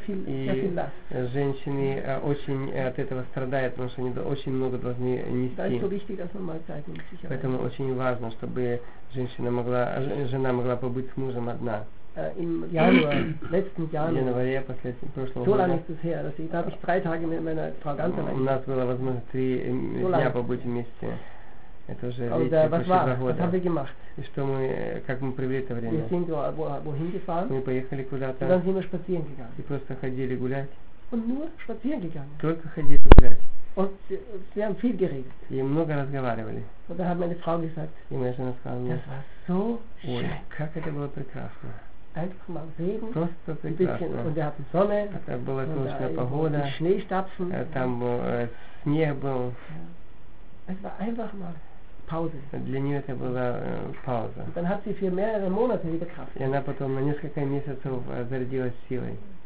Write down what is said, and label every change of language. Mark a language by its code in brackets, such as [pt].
[ru] И женщины очень от этого страдают, потому что они очень много должны нести. Поэтому очень важно, чтобы жена могла побыть с мужем одна. [de] Im Januar, letzten Januar. So lange ist es her, dass ich, da habe ich drei Tage mit meiner Frau ganz allein. [ru] У нас было возможность три дня побыть вместе. Это уже два года. [de] Was haben wir gemacht? [ru] И что мы, как мы провели это время? [de] Wir sind wohin gefahren. [ru] Мы поехали куда-то. [de] Und dann sind wir spazieren gegangen. [ru] И просто ходили гулять. [de] Und nur spazieren gegangen. [ru] Только ходили гулять. [de] Und wir haben viel geredet. [ru] И много разговаривали. [de] Und da hat meine Frau gesagt. [ru] И моя жена сказала мне. [de] Das war so schön. [ru] Как это было прекрасно. [de] Einfach mal Regen, [ru] просто [de] ein bisschen, und wir hatten Sonne, [ru] da была солнечная погода, [de] die Schneestapfen, [ru] там был снег был. [de] Es war einfach mal Pause. [ru] Для нее это была пауза. [de] Dann hat sie für mehrere Monate wieder Kraft. [ru] И она потом на несколько месяцев зарядилась силой.